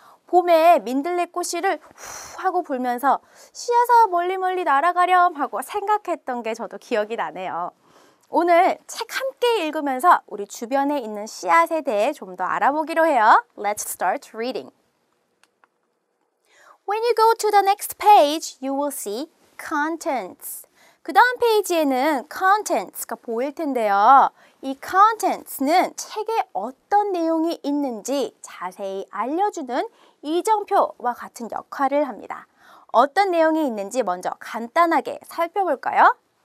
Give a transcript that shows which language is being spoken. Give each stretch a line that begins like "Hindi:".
Korean: 봄에 민들레 꽃씨를 후 하고 불면서 씨앗아 멀리멀리 날아가렴 하고 생각했던 게 저도 기억이 나네요. 오늘 책 함께 읽으면서 우리 주변에 있는 씨앗에 대해 좀 더 알아보기로 해요.
English: Let's start reading. When you go to the next page, you will see contents.
Korean: 그 다음 페이지에는 contents가 보일 텐데요. 이 contents는 책에 어떤 내용이 있는지 자세히 알려주는 이정표와 같은 역할을 합니다. 어떤 내용이 있는지 먼저 간단하게 살펴볼까요?